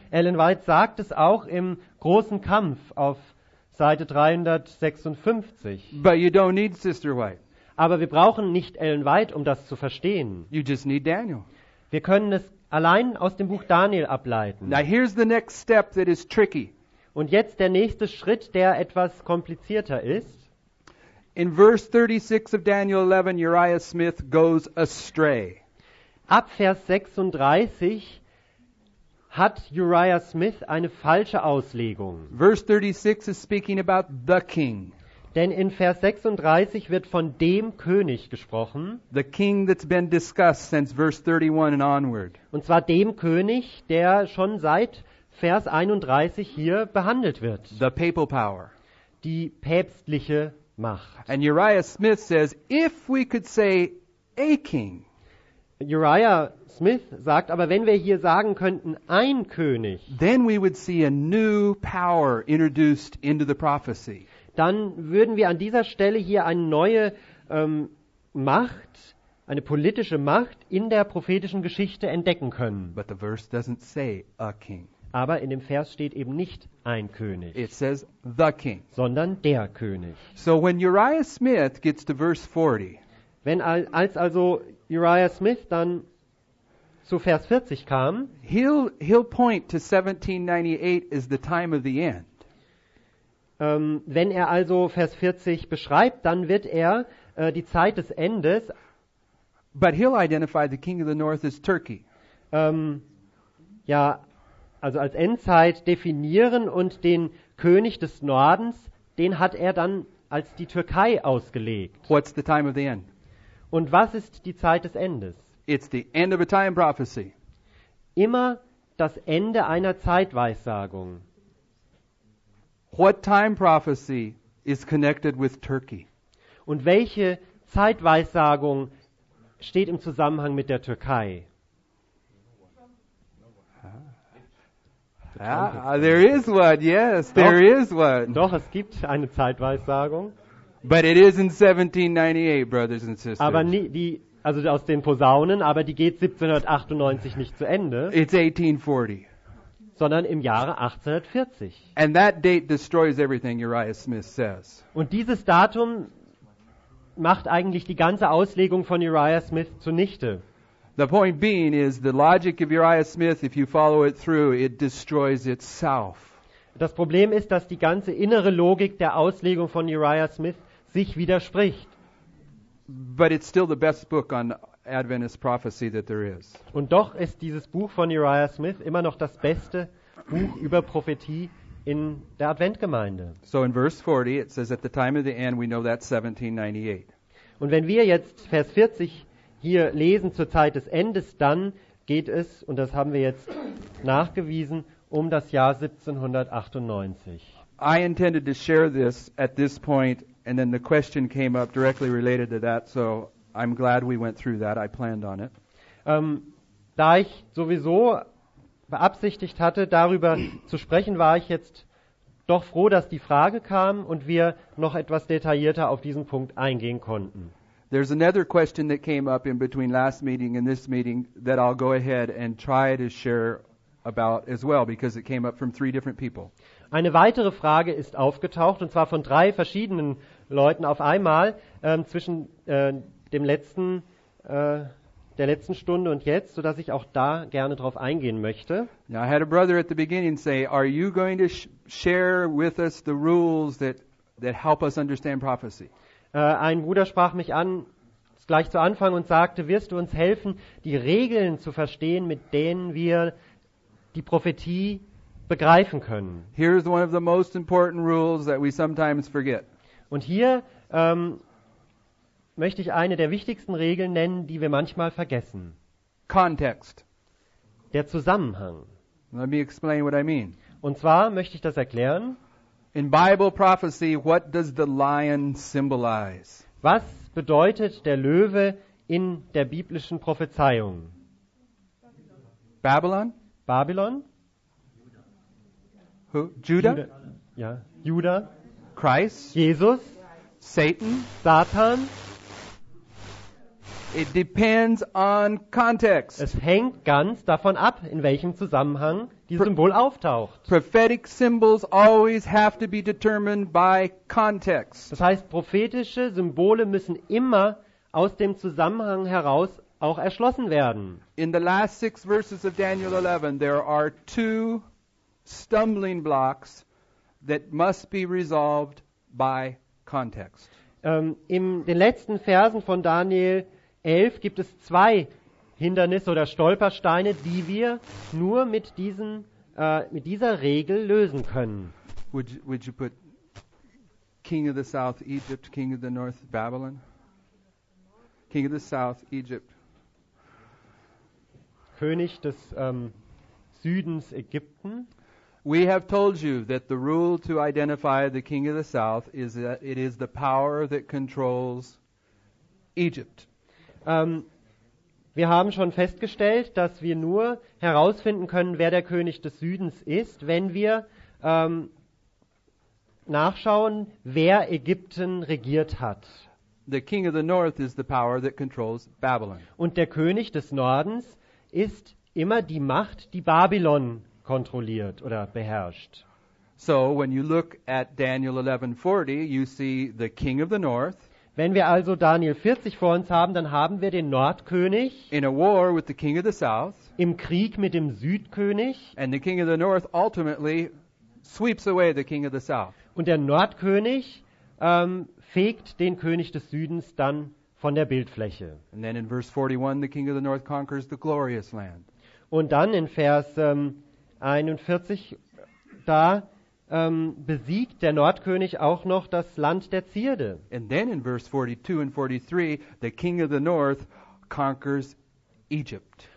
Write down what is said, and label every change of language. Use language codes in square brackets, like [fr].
[de] Ellen White sagt es auch im großen Kampf auf Seite 356. [en] But you don't need Sister White. [de] Aber wir brauchen nicht Ellen White, um das zu verstehen. [en] You just need Daniel. [de] Wir können es allein aus dem Buch Daniel ableiten. [en] Now here's the next step that is tricky. [de] Und jetzt der nächste Schritt, der etwas komplizierter ist. [en] In verse 36 of Daniel 11, Uriah Smith goes astray. [de] Ab Vers 36 hat Uriah Smith eine falsche Auslegung. [en] Verse 36 is speaking about the king. [de] Denn in Vers 36 wird von dem König gesprochen. [en] The king that's been discussed since verse 31 and onward. [de] Und zwar dem König, der schon seit Vers 31 hier behandelt wird. [en] The papal power. [de] Die päpstliche Macht. [en] And Uriah Smith says, if we could say a king. [de] Uriah Smith sagt, aber wenn wir hier sagen könnten, ein König. [en] Then we would see a new power introduced into the prophecy. [de] Dann würden wir an dieser Stelle hier eine neue Macht, eine politische Macht in der prophetischen Geschichte entdecken können. [en] But the verse doesn't say a king. [de] Aber in dem Vers steht eben nicht ein König. [en] It says the king. [de] Sondern der König. [en] So when Uriah Smith gets to verse 40. [de] Wenn als also Uriah Smith dann zu Vers 40 kam, [en] he'll point to 1798 as the time of the end. [de] Wenn er also Vers 40 beschreibt, dann wird er die Zeit des Endes. [en] But he'll identify the king of the north as Turkey. [de] Ja, also als Endzeit definieren und den König des Nordens, den hat er dann als die Türkei ausgelegt. [en] What's the time of the end? [de] Und was ist die Zeit des Endes? [en] It's the end of a time prophecy. [de] Immer das Ende einer Zeitweissagung. [en] What time prophecy is connected with Turkey? [de] Und welche Zeitweissagung steht im Zusammenhang mit der Türkei? [en] Ah, there is one, yes, there [de] doch, [en] is one. [de] Doch, es gibt eine Zeitweissagung. [en] But it is in 1798, brothers and sisters. [de] Aber also aus den Posaunen, aber die geht 1798 nicht zu Ende. [en] It's 1840. [de] Sondern im Jahre 1840. [en] And that date destroys everything, Uriah Smith says. [de] Und dieses Datum macht eigentlich die ganze Auslegung von Uriah Smith zunichte. [en] The point being is the logic of Uriah Smith, if you follow it through, it destroys itself. [de] Das Problem ist, dass die ganze innere Logik der Auslegung von Uriah Smith sich widerspricht. [en] But it's still the best book on Adventist prophecy that there is. [de] Und doch ist dieses Buch von Uriah Smith immer noch das beste Buch über Prophetie in der Adventgemeinde. [en] So in verse 40 it says at the time of the end we know that 1798. [de] Und wenn wir jetzt Vers 40 hier lesen zur Zeit des Endes, dann geht es, und das haben wir jetzt nachgewiesen, um das Jahr 1798. [en] I intended to share this at this point, and then the question came up directly related to that, so I'm glad we went through that. I planned on it. [de] Da ich sowieso beabsichtigt hatte, darüber zu sprechen, war ich jetzt doch froh, dass die Frage kam und wir noch etwas detaillierter auf diesen Punkt eingehen konnten. [en] There's another question that came up in between last meeting and this meeting that I'll go ahead and try to share about as well, because it came up from three different people. [de] Eine weitere Frage ist aufgetaucht, und zwar von drei verschiedenen Leuten auf einmal, zwischen dem letzten, der letzten Stunde und jetzt, sodass ich auch da gerne drauf eingehen möchte. [en] Now I had a brother at the beginning say, are you going to share with us the rules that help us understand prophecy? [de] Ein Bruder sprach mich an gleich zu Anfang und sagte, wirst du uns helfen, die Regeln zu verstehen, mit denen wir die Prophetie begreifen können? [en] Here is one of the most important rules that we sometimes forget. [de] Und hier möchte ich eine der wichtigsten Regeln nennen, die wir manchmal vergessen. [en] Context. [de] Der Zusammenhang. [en] Let me explain what I mean. [de] Und zwar möchte ich das erklären. [en] In Bible prophecy, what does the lion symbolize? [de] Was bedeutet der Löwe in der biblischen Prophezeiung? [en] Babylon? [de] Babylon? [en] Who? Judah? [de] Ja. Judah? [en] Christ? [de] Jesus? [en] Satan? [de] Satan? [en] It depends on context. [de] Es hängt ganz davon ab, in welchem Zusammenhang dieses Symbol auftaucht. [en] Prophetic symbols always have to be determined by context. [de] Das heißt, prophetische Symbole müssen immer aus dem Zusammenhang heraus auch erschlossen werden. [en] In the last six verses of Daniel 11, there are two stumbling blocks that must be resolved by context. [de] In den letzten Versen von Daniel 11 gibt es zwei Hindernisse oder Stolpersteine, die wir nur mit diesen mit dieser Regel lösen können. [en] Would you put King of the South Egypt, King of the North Babylon? King of the South Egypt. [de] König des Südens Ägypten. [en] We have told you that the rule to identify the King of the South is that it is the power that controls Egypt. [de] Wir haben schon festgestellt, dass wir nur herausfinden können, wer der König des Südens ist, wenn wir nachschauen, wer Ägypten regiert hat. [en] The King of the North is the power that controls Babylon. [de] Und der König des Nordens ist immer die Macht, die Babylon kontrolliert oder beherrscht. [en] So, when you look at Daniel 11:40, you see the King of the North. [de] Wenn wir also Daniel 40 vor uns haben, dann haben wir den Nordkönig [en] in a war with the king of the south, [de] im Krieg mit dem Südkönig, [en] and the king of the north ultimately sweeps away the king of the south. [de] Und der Nordkönig fegt den König des Südens dann von der Bildfläche. [en] And then in verse 41 the king of the north conquers the glorious land. [de] Und dann in Vers 41 da besiegt der Nordkönig auch noch das Land der Zierde. [en] And then in verse 42 and 43 the king of the north conquers Egypt.